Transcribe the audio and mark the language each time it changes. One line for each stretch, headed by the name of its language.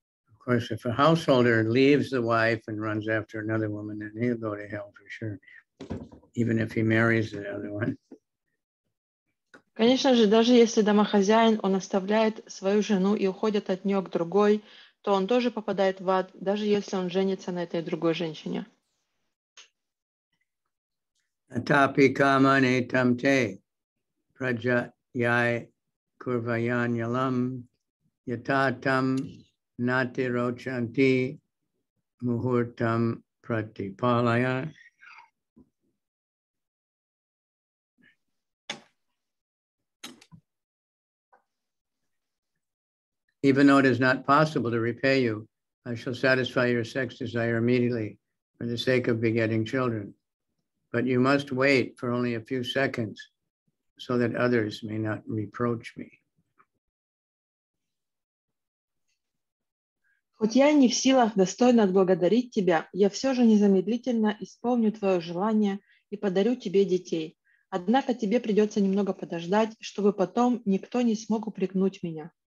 English: Of course, if a householder leaves the wife and runs after another woman, then he'll go to hell for sure, even if he marries the other one.
Russian: Конечно же, даже если домохозяин, он оставляет свою жену и уходит от нее к другой, то он тоже попадает в ад, даже если он женится на этой другой женщине.
Sanskrit: Atapi kamane tamte prajayai kurvayanyalam yatatam Nati rochanti muhurtam pratipalaya.
English: Even though it is not possible to repay you, I shall satisfy your sex desire immediately for the sake of begetting children. But you must wait for only a few seconds so that others may not reproach me.
Russian: Хоть я и не в силах достойно отблагодарить тебя, я все же незамедлительно исполню твое желание и подарю тебе детей. Однако тебе придется немного подождать, чтобы потом никто не смог упрекнуть меня.